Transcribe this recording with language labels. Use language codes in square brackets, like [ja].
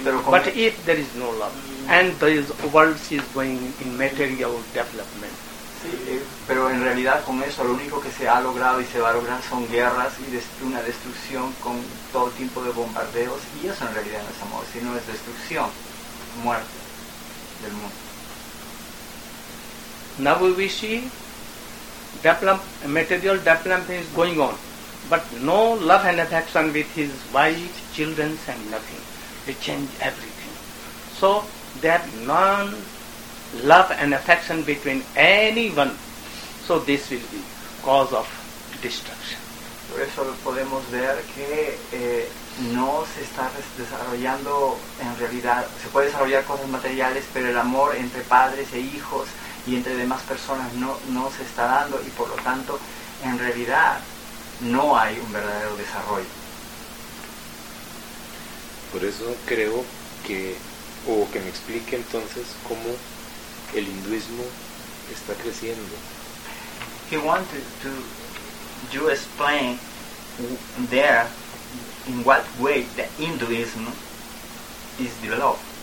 [en] But if there is no love, and the world is going in material development. [es] Sí, pero en realidad con eso lo único que se ha logrado y se va a lograr son guerras y una destrucción con todo tipo de bombardeos, y eso en realidad no es amor, sino es destrucción, muerte del mundo. [en] Now we see material development is going on, but no love and affection with his wife, children and nothing. They change everything. So they have none love and affection between anyone. So this will be cause of destruction. [es] Por eso podemos ver que no se está desarrollando en realidad. Se puede desarrollar cosas materiales, pero el amor entre padres e hijos y entre demás personas no se está dando, y por lo tanto en realidad no hay un verdadero desarrollo. Por eso creo que, o que me explique entonces cómo el hinduismo está creciendo. [en] He wanted to you explain there in what way the Hinduism is developed.